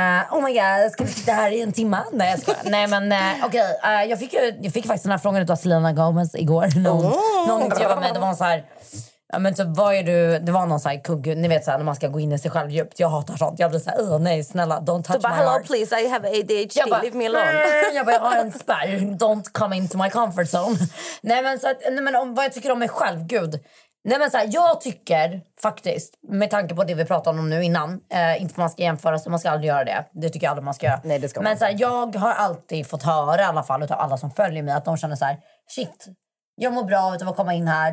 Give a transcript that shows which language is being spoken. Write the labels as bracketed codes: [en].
[en] Oh my god, [sv] ska vi sitta här i en timme? Nej, jag skojar. Nej, men okej, jag fick faktiskt den här frågan av Selena Gomez igår. Någon intervjuade mig, det var så här... Ja, men typ, vad är du? Det var någon såhär kugg. Ni vet såhär, när man ska gå in i sig själv djupt. Jag hatar sånt, jag blir så här, nej snälla, [en] don't touch my hello heart. Please, I have ADHD, bara, leave me alone. [sv] Jag har en spärr, [en] don't come into my comfort zone. [sv] Nej men så att, nej men om, vad jag tycker om mig själv, gud. Nej men såhär, jag tycker faktiskt, med tanke på det vi pratade om nu innan, inte för man ska jämföra sig, man ska aldrig göra det. Det tycker jag aldrig man ska göra. Nej, det ska man. Men såhär, jag har alltid fått höra i alla fall utav alla som följer mig, att de känner såhär, shit, jag mår bra utav att komma in här.